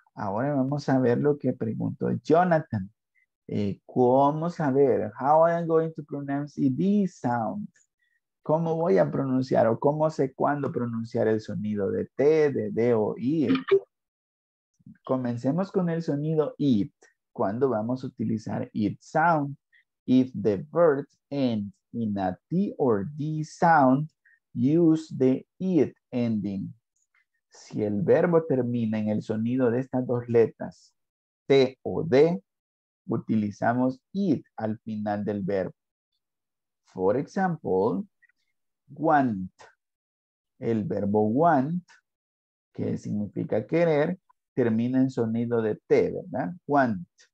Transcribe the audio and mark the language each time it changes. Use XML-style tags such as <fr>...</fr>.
<es>Ahora vamos a ver lo que preguntó Jonathan. ¿Cómo saber?</es> <en>How I am going to pronounce ED sound?</en> <es>¿Cómo voy a pronunciar o cómo sé cuándo pronunciar el sonido de T, de D o I? Comencemos con el sonido IT. ¿Cuándo vamos a utilizar IT sound?</es> <en>If the verb ends in a T or D sound, use the IT ending.</en> <es>Si el verbo termina en el sonido de estas dos letras, T o D, utilizamos IT al final del verbo.</es> <en>For example,</en> <es>want. El verbo want, que significa querer, termina en sonido de T, ¿verdad? Want.</es>